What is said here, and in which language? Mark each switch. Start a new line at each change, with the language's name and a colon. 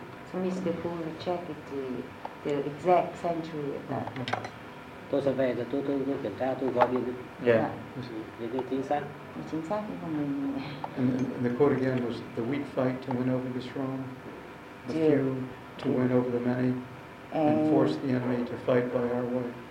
English: So, Mr. Poole, check it, the exact century of that.
Vietnamese: tôi sẽ về rồi tôi kiểm tra, tôi gọi điện.
English: Yeah.
Vietnamese: Để chính xác. Chính xác của mình.
English: And the quote again was the weak fight to win over the strong, the few to win over the many, and force the enemy to fight by our way.